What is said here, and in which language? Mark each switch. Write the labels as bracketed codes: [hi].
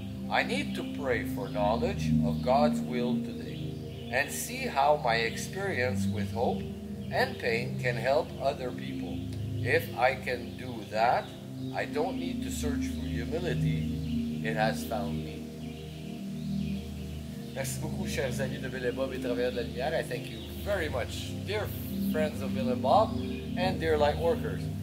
[en] I need to pray for knowledge of God's will today and see how my experience with hope and pain can help other people. If I can do that, I don't need to search for humility. It has found me. [fr] Merci beaucoup, chers amis de Bill et Bob et travailleurs de la lumière. [en] I thank you very much, dear friends of Bill and Bob and dear light workers.